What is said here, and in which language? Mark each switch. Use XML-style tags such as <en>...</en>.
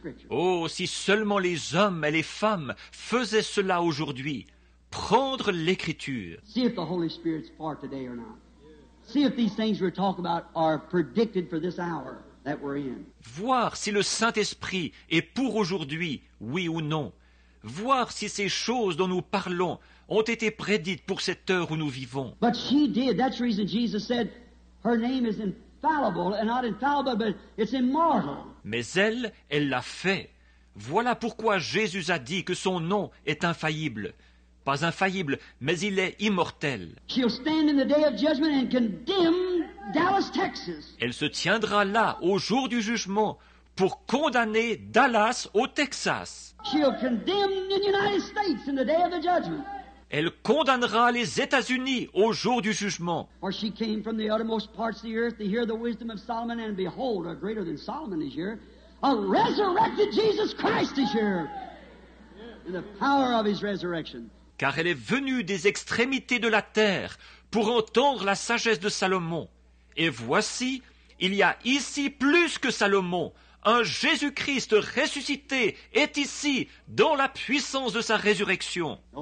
<fr>Oh, si seulement les hommes et les femmes faisaient cela aujourd'hui. Prendre l'Écriture.</fr> <en>See if the Holy Spirit's part today or not. See if these things we're talking about are predicted for this hour that we're in.</en> <fr>Voir si le Saint-Esprit est pour aujourd'hui, oui ou non. Voir si ces choses dont nous parlons ont été prédites pour cette heure où nous vivons.</fr> <en>But she did. That's the reason Jesus said her name is infallible, and not infallible, but it's immortal.</en> <fr>Mais elle l'a fait. Voilà pourquoi Jésus a dit que son nom est infaillible. Pas infaillible, mais il est immortel.</fr> <en>She'll stand in the day of judgment and condemn Dallas, Texas.</en> <fr>Elle se tiendra là au jour du jugement pour condamner Dallas au Texas.</fr> <en>She'll condemn the United States in the day of the judgment.</en> <fr>Elle condamnera les États-Unis au jour du jugement.</fr> <en>For she came from the uttermost parts of the earth to hear the wisdom of Solomon, and behold, a greater than Solomon is here. A resurrected Jesus Christ is here. And the power of his resurrection.</en> <fr>Car elle est venue des extrémités de la terre pour entendre la sagesse de Salomon. Et voici, il y a ici plus que Salomon, un Jésus-Christ ressuscité est ici dans la puissance de sa résurrection.</fr>